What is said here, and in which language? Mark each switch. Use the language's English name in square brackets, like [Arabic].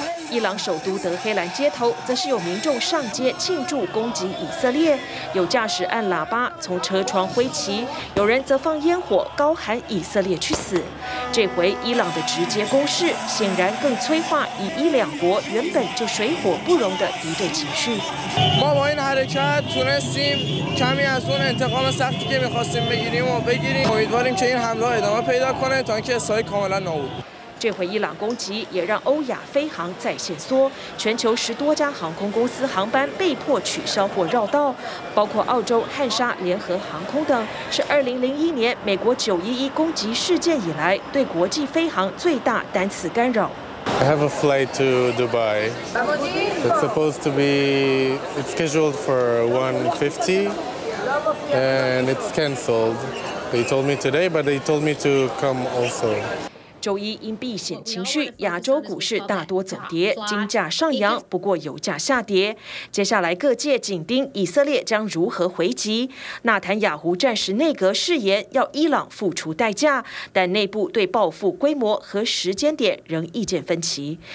[Chinese] 伊朗首都德黑兰街头则是有民众上街庆祝攻击以色列，有驾驶按喇叭从车窗挥旗，有人则放烟火高喊以色列去死。这回伊朗的直接攻势显然更催化以伊两国原本就水火不容的敌对情绪。 [Persian] ما با این حرکت تونستیم کمی از اون انتقام سختی که میخواستیم بگیریم و بگیریم امیدواریم که این حمله ادامه پیدا کنه تا اینکه اسرائیل کاملا نابود。 [Chinese] 这回伊朗攻击也让欧亚飞航再限缩，全球10多家航空公司航班被迫取消或绕道，包括澳洲、汉莎、联合航空等，是2001年美国911攻击事件以来对国际飞航最大单次干扰。 [English] I have a flight to Dubai. It's supposed to be scheduled for 1:50, and it's cancelled. They told me today, but they told me to come also. [Chinese] 周一因避险情绪，亚洲股市大多走跌，金价上扬，不过油价下跌。接下来各界紧盯以色列将如何回击。纳坦雅胡暂时内阁誓言要伊朗付出代价，但内部对报复规模和时间点仍意见分歧。